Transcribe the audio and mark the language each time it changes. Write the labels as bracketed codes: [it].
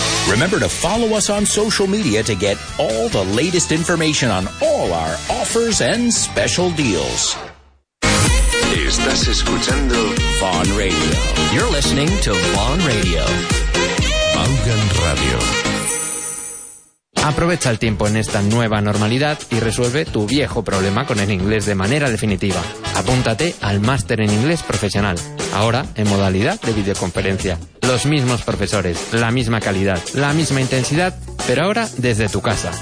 [en] Remember to follow us on social media to get all the latest information on all our offers and special deals. [es] Estás escuchando Vaughn Radio. [en] You're listening to Vaughn Radio. Vaughn Radio. [es] Aprovecha el tiempo en esta nueva normalidad y resuelve tu viejo problema con el inglés de manera definitiva. Apúntate al Máster en Inglés Profesional, ahora en modalidad de videoconferencia. Los mismos profesores, la misma calidad, la misma intensidad, pero ahora desde tu casa.